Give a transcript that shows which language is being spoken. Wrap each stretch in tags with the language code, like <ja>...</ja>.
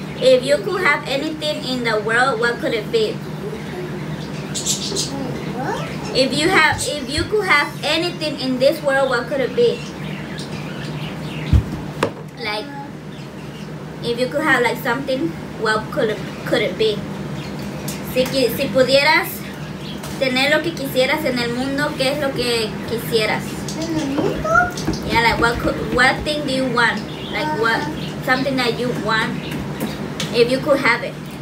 <en>If you could have anything in the world, what could it be? If you could have anything in this world, what could it be? Like, if you could have like something, what could it be?</en> <es>Si pudieras tener lo que quisieras en el mundo, ¿qué es lo que quisieras? En el mundo?</es> <en>Yeah, like what thing do you want? Like what, something that you want, if you could have it.</en>